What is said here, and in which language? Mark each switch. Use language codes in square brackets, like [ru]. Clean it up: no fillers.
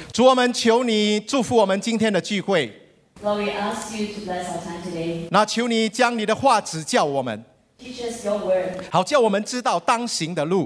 [zh] 主我们求你祝福我们今天的聚会 [en] Lord, we ask you to bless our time today [zh] 那求你将你的话指教我们 [en] Teach us your word [zh] 好叫我们知道当行的路